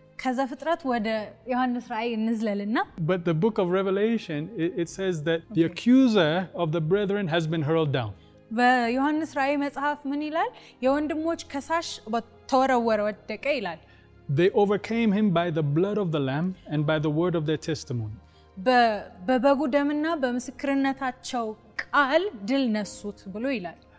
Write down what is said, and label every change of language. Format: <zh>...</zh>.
<am>ከዘፍጥረት ወደ ዮሐንስ ራእይ እንዝለልና</am> <en>but the book of Revelation it says that the accuser of the brethren has been hurled down</en> <am>በዮሐንስ ራእይ መጽሐፍ ምን ይላል የወንድሞች ከሳሽ ተወረወረ ወደቀ ይላል</am> <en>They overcame him by the blood of the lamb and by the word of their testimony.</en> <am>በበጉ ደምና በመስክርነታቸው ቃል ድል ነሱት ብሎ ይላል.</am>